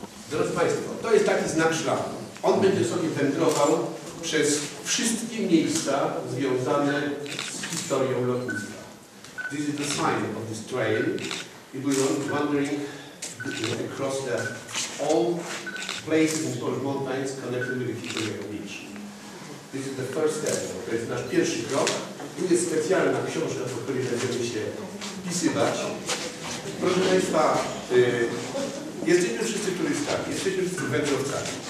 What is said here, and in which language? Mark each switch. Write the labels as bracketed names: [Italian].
[Polish] Drodzy Państwo, to jest taki znak szlaku. On będzie sobie wędrował przez wszystkie miejsca związane z historią lotnictwa. [English] This is the sign of this train. It will be wandering across the all places in Polish mountains connected with the history of Nietzsche. This is the first step. [Polish] To jest nasz pierwszy krok. Tu jest specjalna książka, po której będziemy się wpisywać. Proszę Państwa, jesteśmy wszyscy turystami, jesteśmy wszyscy wędrowcami.